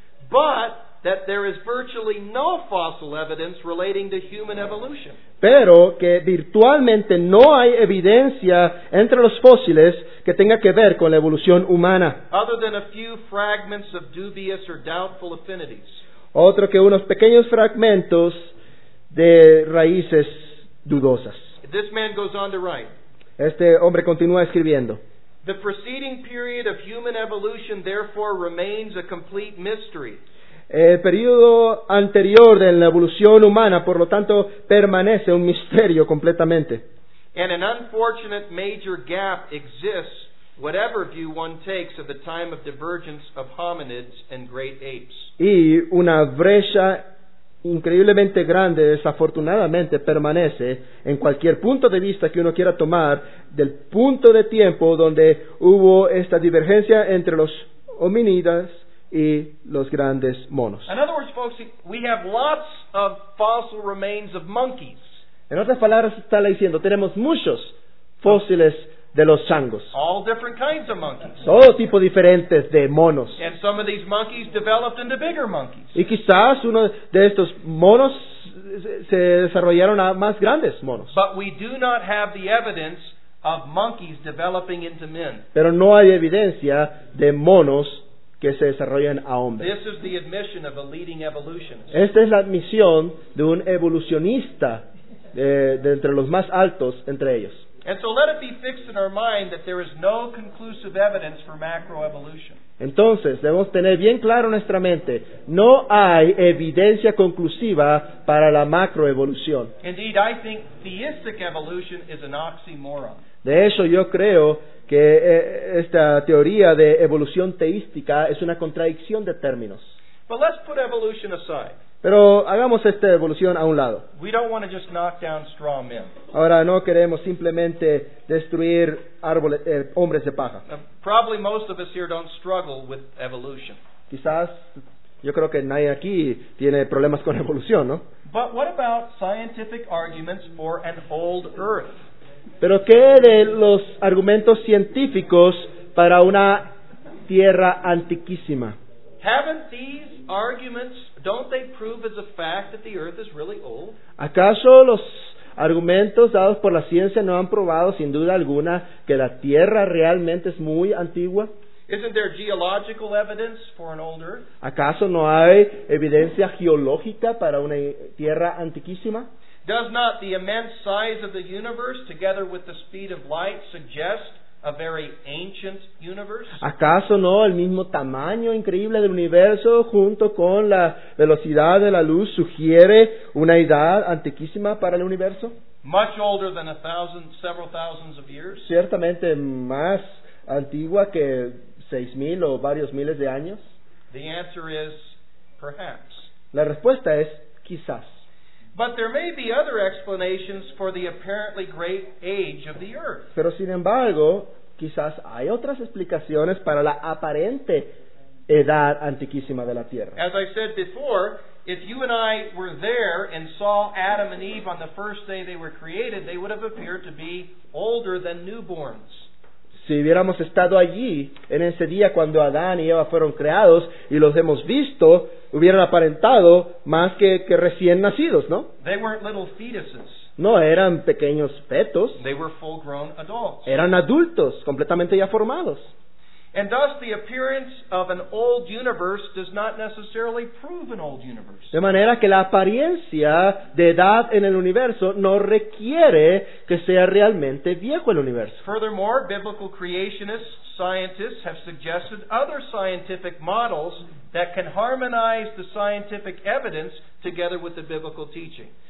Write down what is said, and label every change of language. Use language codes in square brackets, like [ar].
[en] But that there is virtually no fossil evidence relating to human evolution. [es] Pero que virtualmente no hay evidencia entre los fósiles que tenga que ver con la evolución humana. [en] Other than a few fragments of dubious or doubtful affinities. [es] Otro que unos pequeños fragmentos de raíces dudosas. [en] This man goes on to write. [es] Este hombre continúa escribiendo. [en] The preceding period of human evolution therefore remains a complete mystery. [es] El periodo anterior de la evolución humana, por lo tanto, permanece un misterio completamente. [en] And an unfortunate major gap exists, whatever view one takes of the time of divergence of hominids and great apes. [es] Y una brecha increíblemente grande, desafortunadamente, permanece en cualquier punto de vista que uno quiera tomar del punto de tiempo donde hubo esta divergencia entre los hominidas y los grandes monos. [en] In other words, folks, we have lots of fossil remains of monkeys. [es] En otras palabras, está diciendo, tenemos muchos fósiles de los changos. [en] All different kinds of monkeys. [es] Todo tipo diferentes de monos. [en] And some of these monkeys developed into bigger monkeys. [es] Y quizás uno de estos monos se desarrollaron a más grandes monos. [en] But we do not have the evidence of monkeys developing into men. [es] Pero no hay evidencia de monos que se desarrollan a hombres. [en] This is the admission of a leading evolutionist. [es] Esta es la admisión de un evolucionista de entre los más altos entre ellos. [en] And so let it be fixed in our mind that there is no conclusive evidence for macroevolution. [es] Entonces, debemos tener bien claro en nuestra mente, no hay evidencia conclusiva para la macroevolución. [en] Indeed, I think theistic evolution is an oxymoron. [es] De hecho, yo creo que esta teoría de evolución teística es una contradicción de términos. [en] But let's put evolution aside. [es] Pero hagamos esta evolución a un lado. [en] We don't want to just knock down straw men. [es] Ahora, no queremos simplemente destruir árboles, hombres de paja. [en] Probably most of us here don't struggle with evolution. [es] Quizás, yo creo que nadie aquí tiene problemas con evolución, ¿no? [en] But what about scientific arguments for an old earth? [es] ¿Pero qué de los argumentos científicos para una tierra antiquísima? [en] Haven't these arguments, don't they prove as a fact that the earth is really old? [es] ¿Acaso los argumentos dados por la ciencia no han probado sin duda alguna que la tierra realmente es muy antigua? [en] Isn't there geological evidence for an old earth? [es] ¿Acaso no hay evidencia geológica para una tierra antiquísima? [en] Does not the immense size of the universe together with the speed of light suggest a very ancient universe? [es] ¿Acaso no el mismo tamaño increíble del universo junto con la velocidad de la luz sugiere una edad antiquísima para el universo? [en] Much older than several thousands of years. [es] Ciertamente más antigua que 6,000 o varios miles de años. [en] The answer is perhaps. [es] La respuesta es quizás. [en] But there may be other explanations for the apparently great age of the earth. [es] Pero sin embargo, quizás hay otras explicaciones para la aparente edad antiquísima de la Tierra. [en] As I said before, if you and I were there and saw Adam and Eve on the first day they were created, they would have appeared to be older than newborns. [es] Si hubiéramos estado allí en ese día cuando Adán y Eva fueron creados y los hemos visto, hubieran aparentado más que recién nacidos, ¿no? [en] They weren't little fetuses. [es] No, eran pequeños fetos. [en] They were full-grown adults. [es] Eran adultos, completamente ya formados. [en] And thus the appearance of an old universe does not necessarily prove an old universe. [es] De manera que la apariencia de edad en el universo no requiere que sea realmente viejo el universo. [en] Furthermore, biblical creationist scientists have suggested other scientific models that can harmonize the scientific evidence together with the biblical teaching.